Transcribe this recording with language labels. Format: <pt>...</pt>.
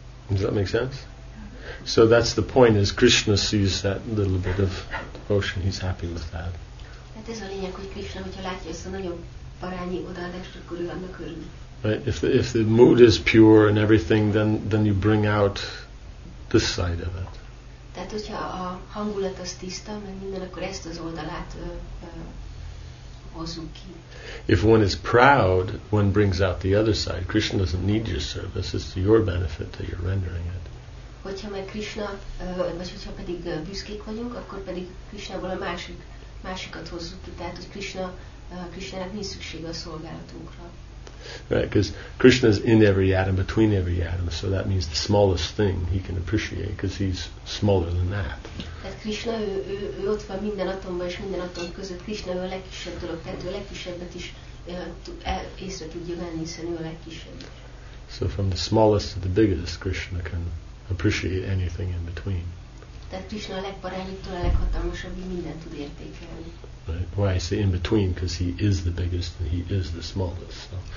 <en>Does that make sense? So that's the point, is Krishna sees that little bit of devotion, he's happy with that.</en> <hu>Hát ez a lényeg, hogy Krishna, hogyha látja ezt a nagyobb parányi odaadást, akkor ő annak örül.</hu> <en>Right, if the mood is pure and everything, then you bring out this side of it.</en> <hu>Tehát hogyha a hangulat az tiszta, meg minden, akkor ezt az oldalát hozzuk ki.</hu> <en>If one is proud, one brings out the other side. Krishna doesn't need your service, it's to your benefit that you're rendering it.</en> <hu>Hogyha meg Krishna, vagy hogyha pedig büszkék vagyunk, akkor pedig Krishnából a másikat hozzuk ki, tehát hogy Krishnának nincs szüksége a szolgálatunkra.</hu> <en>Right, because Krishna is in every atom, between every atom, so that means the smallest thing he can appreciate, because he's smaller than that.</en> <hu>Tehát Krishna, ő ott van minden atomban és minden atom között. Krishna ő a legkisebb dolog, tehát ő a legkisebbet is észre tudja venni, hiszen ő a legkisebb.</hu> <en>So from the smallest to the biggest, Krishna can appreciate anything in between.</en> <hu>Tehát Krishna a legparányiktól a leghatalmasabb, így mindent tud értékelni.</hu> <en>Right. Why I say in between, because he is the biggest and he is the smallest.</en>